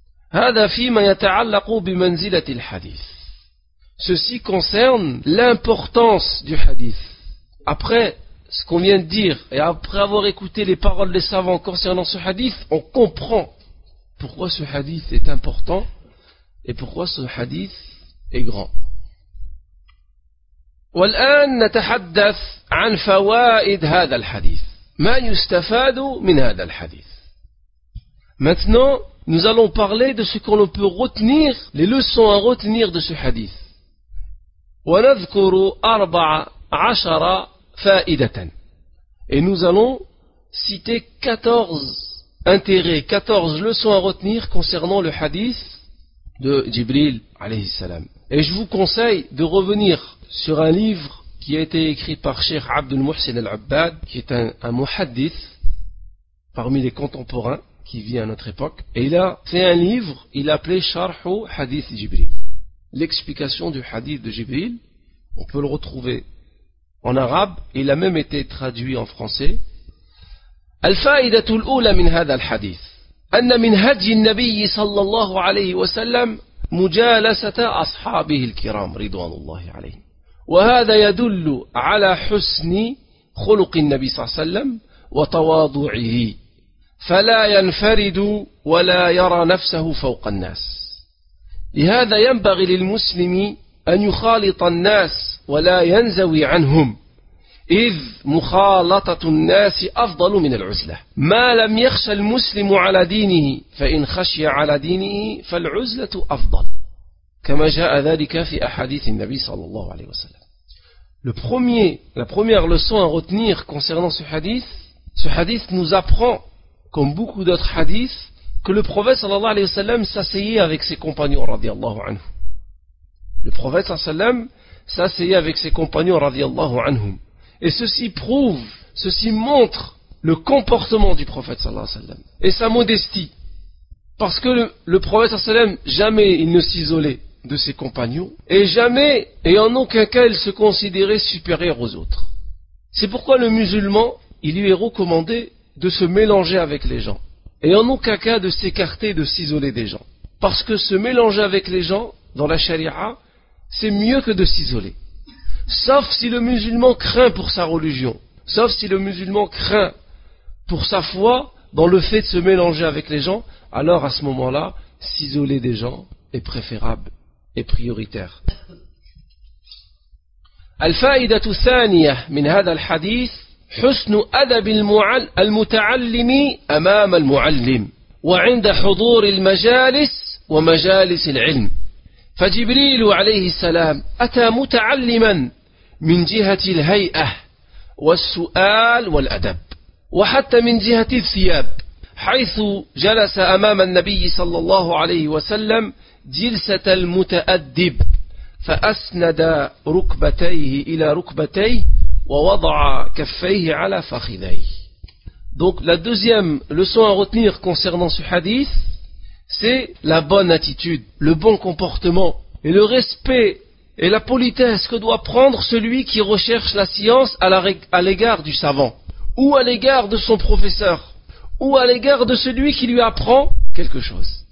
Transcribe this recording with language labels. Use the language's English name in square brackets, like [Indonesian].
[Arabic] Hada fima yata'allaqu bimanzilati al-hadith. [French] Ceci concerne l'importance du hadith. Après ce qu'on vient de dire, et après avoir écouté les paroles des savants concernant ce hadith, on comprend pourquoi ce hadith est important et pourquoi ce hadith est grand. [Arabic] والآن نتحدث عن فوائد هذا الحديث. ما يستفاد من هذا الحديث. [French] Maintenant, nous allons parler de ce qu'on peut retenir, les leçons à retenir de ce hadith. [Arabic] ونذكر أربع عشرة فائدة. [French] Et nous allons citer 14 intérêts, 14 leçons à retenir concernant le hadith de Jibril alayhi salam. Et je vous conseille de revenir sur un livre qui a été écrit par Cheikh Abdul Muhsin Al-Abbad, qui est un muhaddith parmi les contemporains qui vit à notre époque. Et il a fait un livre, il a appelé Sharhu Hadith Jibril, l'explication du hadith de Jibril. On peut le retrouver en arabe, il a même été traduit en français. [Arabic] الفائدة الأولى من هذا الحديث أن من هدي النبي صلى الله عليه وسلم مجالسة أصحابه الكرام رضوان الله عليهم وهذا يدل على حسن خلق النبي صلى الله عليه وسلم وتواضعه فلا ينفرد ولا يرى نفسه فوق الناس لهذا ينبغي للمسلم أن يخالط الناس ولا ينزوي عنهم إذ مخالطة الناس أفضل من العزلة ما لم يخش المسلم على دينه فإن خشي على دينه فالعزلة أفضل كما جاء ذلك في أحاديث النبي صلى الله عليه وسلم. [French] La première leçon à retenir concernant ce hadith nous apprend, comme beaucoup d'autres hadiths, que le prophète صلى الله عليه وسلم s'asseyait avec ses compagnons رضي الله عنه. Le prophète sallallahu alayhi wa sallam s'asseyait avec ses compagnons radiyallahu anhum. Et ceci prouve, ceci montre le comportement du prophète sallallahu alayhi wa sallam et sa modestie. Parce que le prophète sallallahu alayhi wa sallam, jamais il ne s'isolait de ses compagnons et jamais et en aucun cas il se considérait supérieur aux autres. C'est pourquoi le musulman, il lui est recommandé de se mélanger avec les gens et en aucun cas de s'écarter, de s'isoler des gens. Parce que se mélanger avec les gens dans la charia, c'est mieux que de s'isoler. Sauf si le musulman craint pour sa religion, sauf si le musulman craint pour sa foi dans le fait de se mélanger avec les gens, alors à ce moment-là, s'isoler des gens est préférable et prioritaire. [Arabic] الفائدة الثانية من هذا الحديث حسن أدب المتعلم أمام المعلم وعند حضور المجالس ومجالس العلم. فجبريل عليه السلام أتى متعلما من جهة الهيئة والسؤال والأدب، وحتى من جهة الثياب، حيث جلس أمام النبي صلى الله عليه وسلم جلسة المتأدب، فأسند ركبتيه إلى ركبتيه ووضع كفيه على فخذيه. [French] Donc la deuxième leçon à retenir concernant ce hadith, c'est la bonne attitude, le bon comportement et le respect et la politesse que doit prendre celui qui recherche la science à l'égard du savant, ou à l'égard de son professeur, ou à l'égard de celui qui lui apprend quelque chose.